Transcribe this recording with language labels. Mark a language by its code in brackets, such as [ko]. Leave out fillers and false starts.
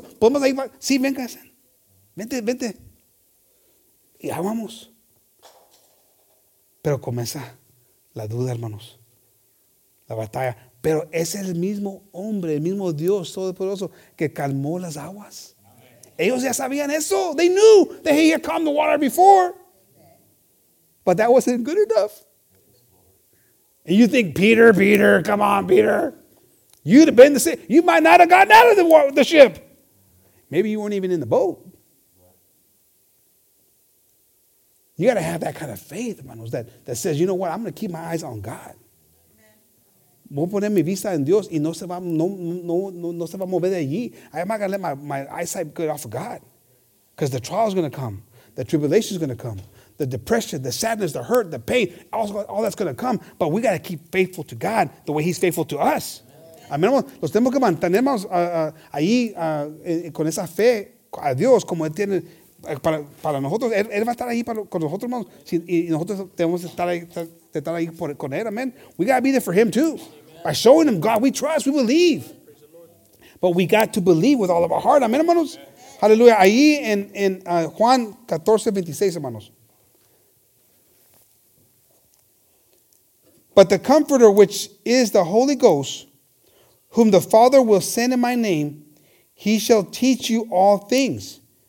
[es] Podemos ahí, sí, venga. Vente. Y ya vamos. Pero comienza la duda, hermanos. La batalla. Pero es el mismo hombre, el mismo Dios Todopoderoso que calmó las aguas. Amen. Ellos ya sabían eso. [en] They knew that he had calmed the water before. But that wasn't good enough. And you think, Peter, come on, Peter. You'd have been the same. You might not have gotten out of the ship. Maybe you weren't even in the boat. You got to have that kind of faith, hermanos, that says, you know what, I'm going to keep my eyes on God. [es] Voy a poner mi vista en Dios y no se va a mover de allí. [en] I'm not going to let my eyesight get off of God. Because the trial is going to come. The tribulation is going to come. The depression, the sadness, the hurt, the pain, all that's going to come. But we got to keep faithful to God the way he's faithful to us. Amen. [es] Los tenemos que mantener ahí con esa fe a Dios como él tiene. Para nosotros, él va a estar ahí con nosotros, hermanos. Si, y nosotros tenemos que estar ahí con él, amen. [en] We got to be there for him, too. Amen. By showing him, God, we trust, we believe. But we got to believe with all of our heart, amen, hermanos. Amen. [es] Hallelujah. Ahí en Juan 14:26, hermanos. [en] But the Comforter, which is the Holy Ghost, whom the Father will send in my name, he shall teach you all things.